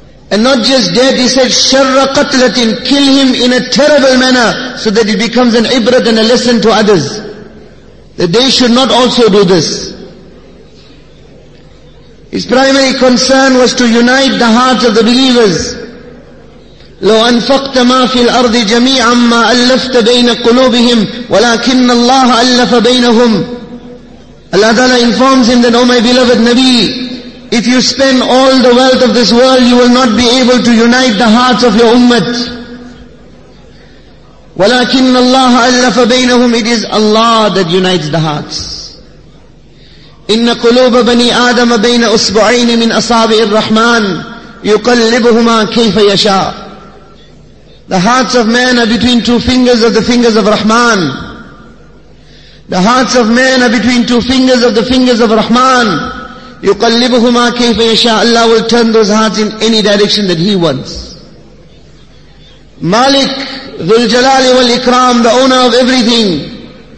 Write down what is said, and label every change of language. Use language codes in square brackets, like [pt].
[en] And not just death, he said, [ar] sharra qatlatin, [en] kill him in a terrible manner, so that it becomes an ibrat and a lesson to others, that they should not also do this. His primary concern was to unite the hearts of the believers. [ar] لو أنفقت ما في الأرض جميعا ما ألفت بين قلوبهم ولكن الله ألف بينهم. [en] Allah Ta'ala informs him that, O my beloved Nabi, if you spend all the wealth of this world, you will not be able to unite the hearts of your ummah. [ar] ولكن الله ألف بينهم. [en] It is Allah that unites the hearts. [ar] إن قلوب بني آدم بين أصبعين من أصابع الرحمن يقلبهما كيف يشاء. [en] The hearts of man are between two fingers of the fingers of Rahman. The hearts of man are between two fingers of the fingers of Rahman. [ar] يُقَلِّبُهُمَا كَيْفَ يَشَاءُ. [en] Allah will turn those hearts in any direction that He wants. Malik, [ar] ذُلْ جَلَالِ وَالْإِكْرَامِ, [en] the owner of everything.